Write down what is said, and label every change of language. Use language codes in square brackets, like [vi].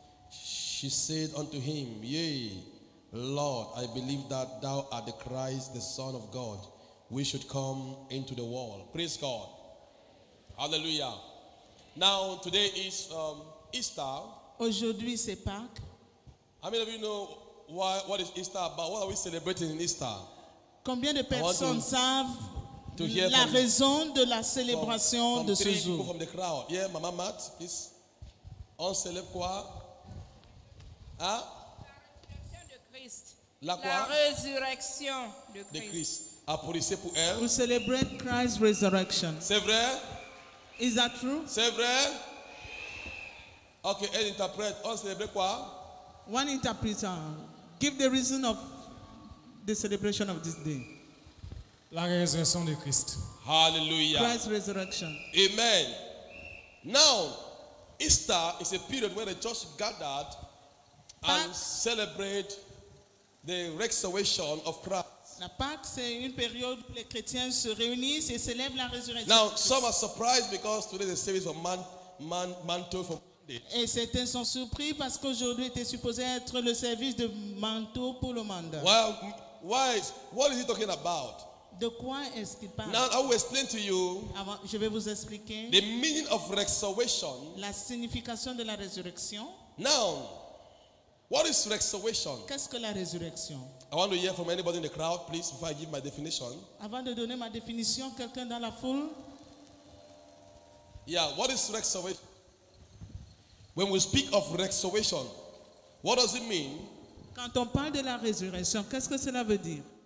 [en] She said unto him, Yea, Lord, I believe that thou art the Christ, the Son of God, which should come into the world. Praise God. Hallelujah. Now, today is Easter. [fr] Aujourd'hui, c'est Pâques. [en] How many of you know what is Easter about? What are we celebrating in Easter? [fr] Combien de personnes savent [en] to hear [fr] la raison de la célébration [en] from [fr] de ce jour? [en] From the crowd. Yeah, Mama Matt, please. [fr] On célèbre quoi? La résurrection de Christ. La résurrection de Christ. Applaudissez pour elle. [en] We celebrate Christ's resurrection. [fr] C'est vrai? [en] Is that true? [fr] C'est vrai? Ok, elle interprète. On célèbre quoi? [en] One interpreter. Give the reason of the celebration of this day. [fr] La résurrection de Christ. [en] Hallelujah. Christ's resurrection. Amen. Now, Easter is a period where the church gathered and celebrate the resurrection of Christ. [fr] La Pâque, c'est une période où les chrétiens se réunissent et célèbrent la résurrection. [en] Now, some are surprised because today the service of Manto for Monday. [fr] Et certains sont surpris parce qu'aujourd'hui était supposé être le service de Manto pour le mandat. [en] Well, why? What is he talking about? [fr] De quoi est-ce qu'il parle? [en] Now, I will explain to you. [fr] Avant, je vais vous expliquer. [en] The meaning of resurrection. [fr] La signification de la résurrection. [en] Now, what is resurrection? [fr] Qu'est-ce que la résurrection? [en] I want to hear from anybody in the crowd, please, before I give my definition. [fr] Avant de donner ma définition, quelqu'un dans la foule? [en] Yeah, what is resurrection? When we speak of resurrection, what does it mean? [fr] Quand on parle de la résurrection, qu'est-ce que cela veut dire?